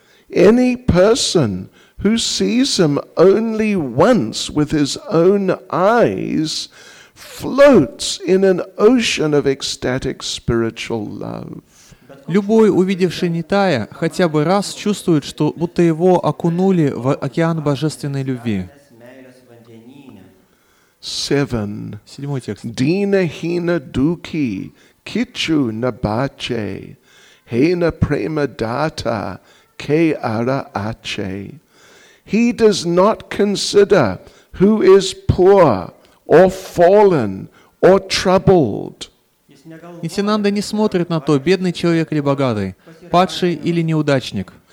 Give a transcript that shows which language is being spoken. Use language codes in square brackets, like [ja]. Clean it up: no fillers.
[en] Any person who sees him only once with his own eyes floats in an ocean of ecstatic spiritual love. [ru] Любой, увидевший Нитая, хотя бы раз чувствует, что будто его окунули в океан божественной любви. [en] Seven. [ru] Седьмой текст. [bn] Дина хина дуки кичу набаче хейна према дата ке ара аче. [en] He does not consider who is poor or fallen or troubled. [ru] Нитинанда не смотрит на то, бедный человек или богатый, падший или неудачник.